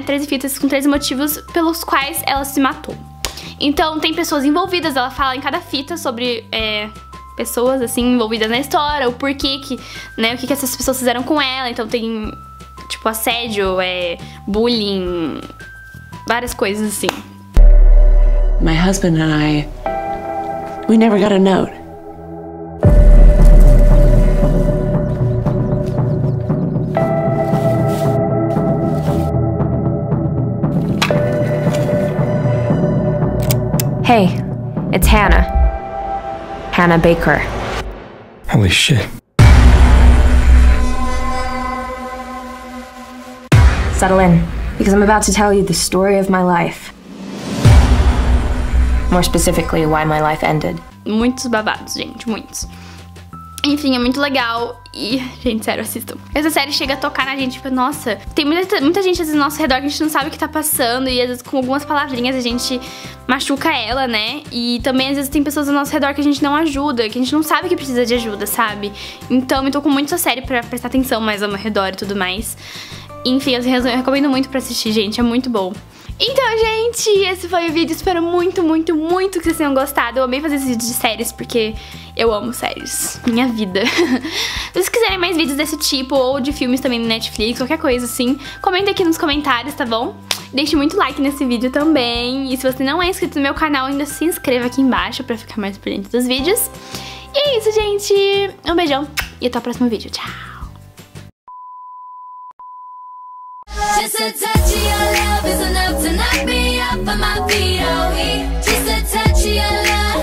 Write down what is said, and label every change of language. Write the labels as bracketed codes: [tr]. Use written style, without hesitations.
[pt] 13 fitas com 13 motivos pelos quais ela se matou. Então, tem pessoas envolvidas, ela fala em cada fita sobre... pessoas, assim, envolvidas na história, o porquê que, né, o que essas pessoas fizeram com ela. Então tem, tipo, assédio, bullying, várias coisas, assim. [en] My husband and I, we never got a note. Hey, it's Hannah. Hannah Baker. Holy shit. Settle in, because I'm about to tell you the story of my life. More specifically, why my life ended. [pt] Muitos babados, gente, muitos. Enfim, é muito legal e, gente, sério, assistam. Essa série chega a tocar na gente, tipo, nossa, tem muita gente às vezes, ao nosso redor que a gente não sabe o que tá passando e, às vezes, com algumas palavrinhas a gente machuca ela, né? E também, às vezes, tem pessoas ao nosso redor que a gente não ajuda, que a gente não sabe que precisa de ajuda, sabe? Então, me tocou muito essa série pra prestar atenção mais ao meu redor e tudo mais. Enfim, eu recomendo muito pra assistir, gente, é muito bom. Então, gente, esse foi o vídeo. Espero muito, muito, muito que vocês tenham gostado. Eu amei fazer esse vídeo de séries, porque eu amo séries. Minha vida. Se vocês quiserem mais vídeos desse tipo, ou de filmes também no Netflix, qualquer coisa assim, comenta aqui nos comentários, tá bom? Deixe muito like nesse vídeo também. E se você não é inscrito no meu canal, ainda se inscreva aqui embaixo pra ficar mais por dentro dos vídeos. E é isso, gente. Um beijão e até o próximo vídeo. Tchau! [en] Just a touch of your love is enough to knock me off of my feet. Just a touch of your love.